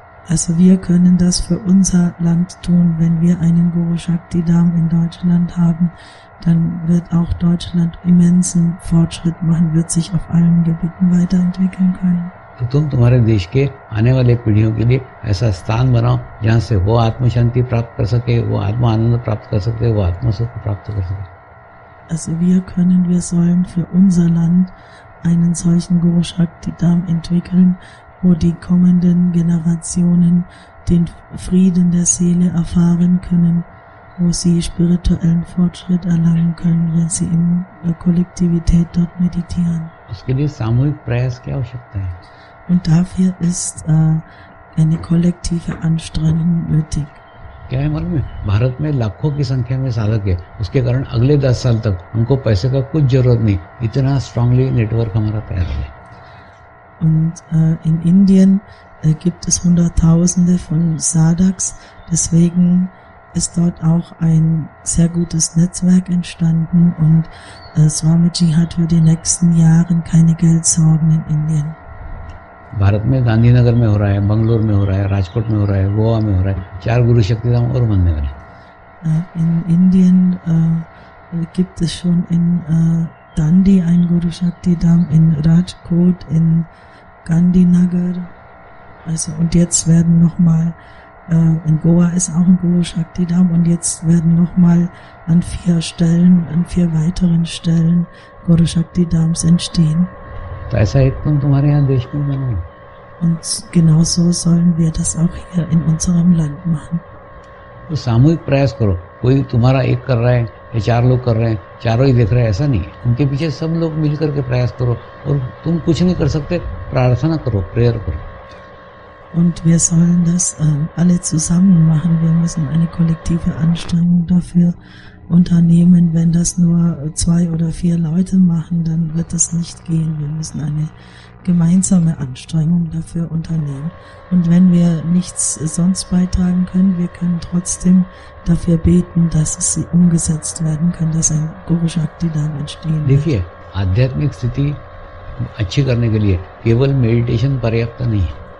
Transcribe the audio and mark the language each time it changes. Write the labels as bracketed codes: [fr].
[de] Also wir können das für unser Land tun, wenn wir einen Guru Shakti Dham in Deutschland haben, dann wird auch Deutschland immensen Fortschritt machen, wird sich auf allen Gebieten weiterentwickeln können. [hi] तो तुम तुम्हारे देश के आने वाले पीढ़ियों के लिए ऐसा स्थान बनाओ जहां से वो आत्मशांति प्राप्त कर सके वो आत्म आनंद प्राप्त कर सके वो आत्मसुख प्राप्त कर सके [de] Also wir sollen für unser Land einen solchen Guru Shakti Dham entwickeln. Wo die kommenden Generationen den Frieden der Seele erfahren können, wo sie spirituellen Fortschritt erlangen können, wenn sie in der Kollektivität dort meditieren. [hi] उसके लिए सामूहिक प्रयास की आवश्यकता है. [de] Und dafür ist eine kollektive Anstrengung nötig. [hi] क्या है मालूम है? भारत में लाखों की संख्या में साधक है उसके कारण अगले 10 साल तक हमको पैसे का कुछ जरूरत नहीं इतना स्ट्रांगली नेटवर्क हमारा तैयार है [de] Und in Indien gibt es Hunderttausende von Sadaks, deswegen ist dort auch ein sehr gutes Netzwerk entstanden und Swamiji hat für die nächsten Jahre keine Geldsorgen in Indien. [hi] Bharat में गांधीनगर में हो रहा है बंगलोर में हो रहा है राजकोट में हो रहा है गोवा में हो रहा है चार गुरु शक्ति धाम और बनने वाले [de] In Indien gibt es schon in Dandi ein Guru Shakti Dham in Rajkot, in Gandhinagar. Also, und jetzt werden nochmal, in Goa ist auch ein Guru Shakti Dham und jetzt werden nochmal an vier Stellen, an vier weiteren Stellen Guru Shakti Dhams entstehen. Und genau so sollen wir das auch hier in unserem Land machen. [hi] Du samuhik prayas karo. Koi tumhara ek kar raha hai. ये चार लोग कर रहे हैं चारों ही देख रहे हैं ऐसा नहीं है उनके पीछे सब लोग मिलकर के प्रयास करो और तुम कुछ नहीं कर सकते प्रार्थना करो प्रेयर करो [de] und wir sollen das alle zusammen machen wir müssen eine kollektive anstrengung dafür unternehmen wenn das nur zwei oder vier leute machen dann wird das nicht gehen wir müssen eine gemeinsame anstrengung dafür unternehmen und wenn wir nichts sonst beitragen können wir können trotzdem dafür beten dass es umgesetzt werden kann dass ein Guru Shakti Dham entstehen wird [hi] देखिए आध्यात्मिक स्थिति अच्छी करने के लिए केवल meditation पर्याप्त नहीं है